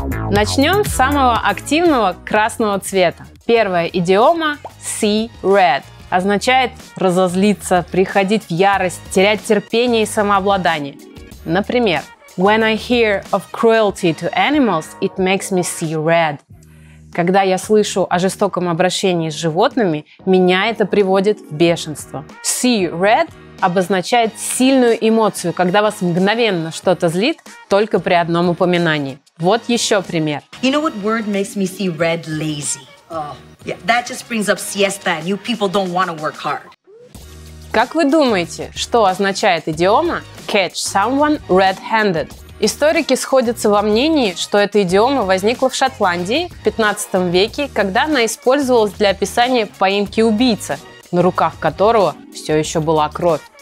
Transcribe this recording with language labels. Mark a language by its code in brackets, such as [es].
[ru] Начнем с самого активного красного цвета. Первая идиома – [en] see red. [ru] Означает разозлиться, приходить в ярость, терять терпение и самообладание. Например, [en] when I hear of cruelty to animals, it makes me see red. [ru] Когда я слышу о жестоком обращении с животными, меня это приводит в бешенство. [en] See red [ru] обозначает сильную эмоцию, когда вас мгновенно что-то злит только при одном упоминании. Вот еще пример. [en] You know what word makes me see red? Lazy. That just brings up siesta and you people don't want to work hard. [ru] Как вы думаете, что означает идиома [en] catch someone red-handed? [ru] Историки сходятся во мнении, что эта идиома возникла в Шотландии в 15 веке, когда она использовалась для описания поимки убийцы, на руках которого все еще была кровь.